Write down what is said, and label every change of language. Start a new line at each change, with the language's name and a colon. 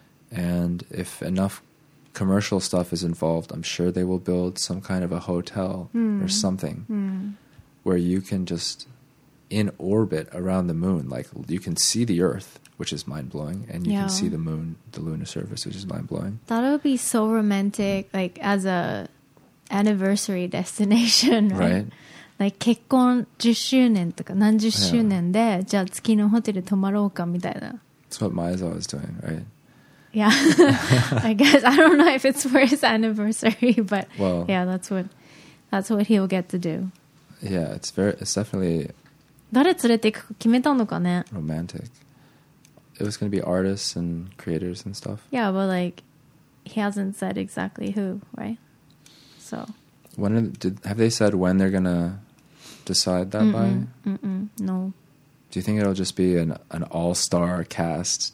English: And if enough commercial stuff is involved, I'm sure they will build some kind of a hotel or something where you can just in orbit around the moon. Like, you can see the Earth, which is mind-blowing, and you can see the moon, the lunar surface, which is mind-blowing. That would be so romantic, like, as a anniversary destination, right?
Japanese: Like, 結婚10周年とか何十周年で、じゃあ月のホテル泊まろうかみたいな。
English: That's what Maezo is doing, right? Yeah, I guess. I don't know if it's for his anniversary, but that's what he'll get to do. Yeah, it's definitely...
Japanese: 誰連れて行くか決めたのかね?
English: Romantic. It was going to be artists and creators and stuff. Yeah, but like, he hasn't said exactly who, right? So... Have they said when they're going to decide that mm-mm, by? Mm-mm, no. Do you think it'll just be an all-star cast?